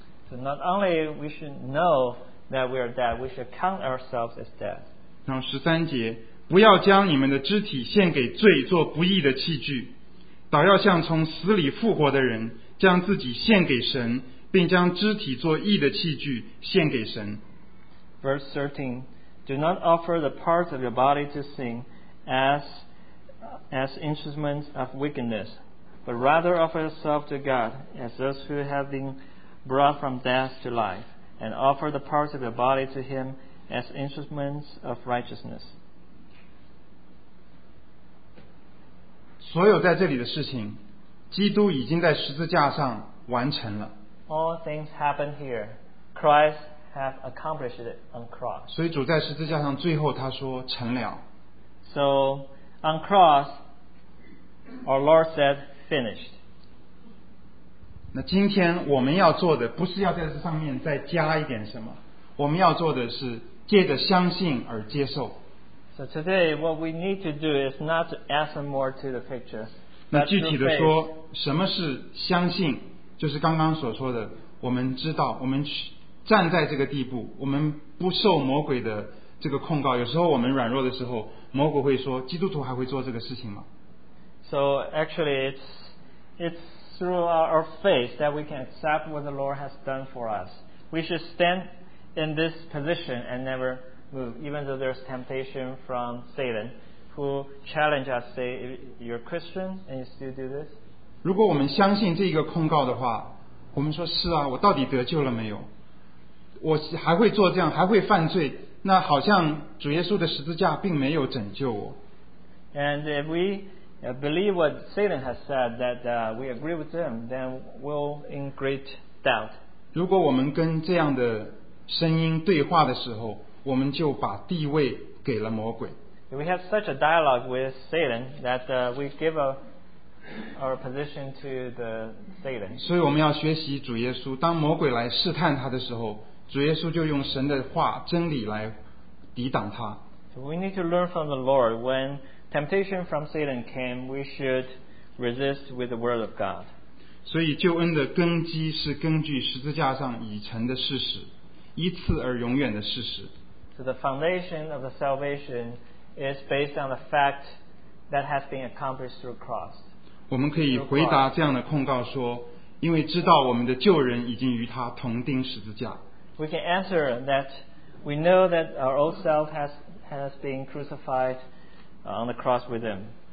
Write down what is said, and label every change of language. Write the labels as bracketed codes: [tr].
[en] So not only we should know that we are dead, we should count ourselves as dead. [zh] 然后十三节，不要将你们的肢体献给罪做不义的器具，倒要像从死里复活的人，将自己献给神，并将肢体做义的器具献给神。 [en] Verse 13, do not offer the parts of your body to sin as instruments of wickedness, but rather offer yourself to God as those who have been brought from death to life. And offer the parts of your body to him as instruments of righteousness. [zh] 所有在这里的事情，基督已经在十字架上完成了。 [en] All things happen here. Christ has accomplished it on cross. [zh] 所以主在十字架上最后他说成了。 [en] So on cross, our Lord said, finished. [zh] 那今天我们要做的不是要在这上面再加一点什么，我们要做的是借着相信而接受。 [en] So today what we need to do is not to add some more to the picture. [zh] 那具体的说，什么是相信？就是刚刚所说的，我们知道，我们站在这个地步，我们不受魔鬼的这个控告。有时候我们软弱的时候，魔鬼会说，基督徒还会做这个事情吗？ [en] So actually it's through our faith that we can accept what the Lord has done for us. We should stand in this position and never move, even though there's temptation from Satan who challenge us, say, you're Christian and you still do this. [zh] 如果我们相信这个控告的话，我们说是啊，我到底得救了没有？我还会做这样，还会犯罪，那好像主耶稣的十字架并没有拯救我。 [en] And if we believe what Satan has said, that we agree with them, then we'll in great doubt. [zh] 如果我们跟这样的声音对话的时候，我们就把地位给了魔鬼。 [en] If we have such a dialogue with Satan that we give our position to the Satan. [zh] 所以我们要学习主耶稣，当魔鬼来试探他的时候，主耶稣就用神的话真理来抵挡他。 [en] So we need to learn from the Lord. When temptation from Satan came, we should resist with the word of God. [zh] 所以救恩的根基是根据十字架上已成的事实，一次而永远的事实。 [en] So the foundation of the salvation is based on the fact that has been accomplished through cross. [zh] 我们可以回答这样的控告说，因为知道我们的救人已经与他同钉十字架。 [en] We can answer that we know that our old self has been crucified on the cross with him.